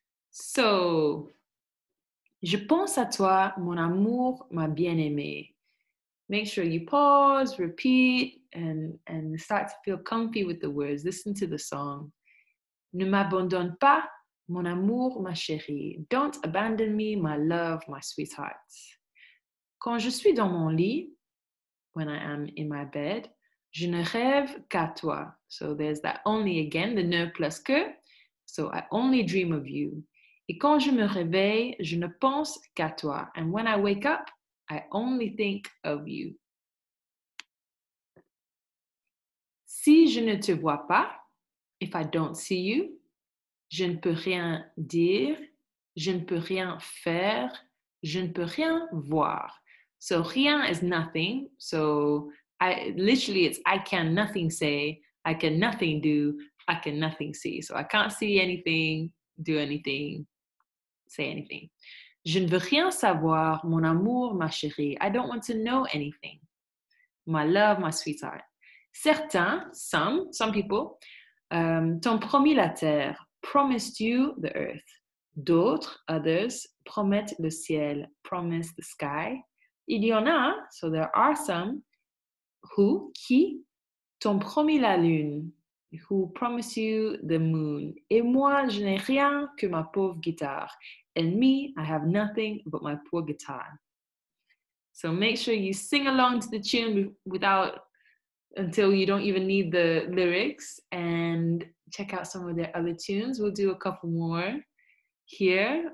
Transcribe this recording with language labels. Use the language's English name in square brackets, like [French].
[French] So, je pense à toi, mon amour, ma bien-aimée. [English] Make sure you pause, repeat, and start to feel comfy with the words. Listen to the song. [French] Ne m'abandonne pas, mon amour, ma chérie. [English] Don't abandon me, my love, my sweetheart. [French] Quand je suis dans mon lit, [English] when I am in my bed, [French] je ne rêve qu'à toi. [English] So there's that only again, the ne plus que. So I only dream of you. [French] Et quand je me réveille, je ne pense qu'à toi. [English] And when I wake up, I only think of you. [French] Si je ne te vois pas, [English] if I don't see you, [French] je ne peux rien dire, je ne peux rien faire, je ne peux rien voir. [English] So, rien is nothing. So, I can nothing say, I can nothing do, I can nothing see. So, I can't see anything, do anything. Say anything. [French] Je ne veux rien savoir, mon amour, ma chérie. [English] I don't want to know anything. My love, my sweetheart. [French] Certains, [English] some people, [French] t'ont promis la terre, [English] promised you the earth. [French] D'autres, [English] others, [French] promettent le ciel, [English] promise the sky. [French] Il y en a, [English] so there are some, who, [French] qui, t'ont promis la lune, [English] who promise you the moon. [French] Et moi, je n'ai rien que ma pauvre guitare. [English] And me, I have nothing but my poor guitar. So make sure you sing along to the tune until you don't even need the lyrics, and check out some of their other tunes. We'll do a couple more here.